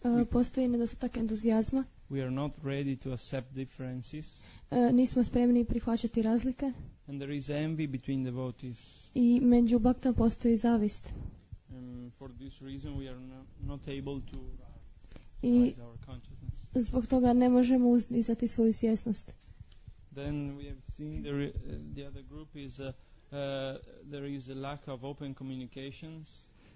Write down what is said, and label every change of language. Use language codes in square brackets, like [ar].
[hr] Postoji nedostatak entuzijazma. [en] We are not ready to accept differences. [hr] Nismo spremni prihvaćati razlike. [en] And there is envy between devotees. [hr] I među bhaktama postoji zavist. [en] For this reason we are not able to raise our consciousness. [hr] Zbog toga ne možemo uzdizati svoju svjesnost. [en] Then we have seen the other group is there is a lack of open communications.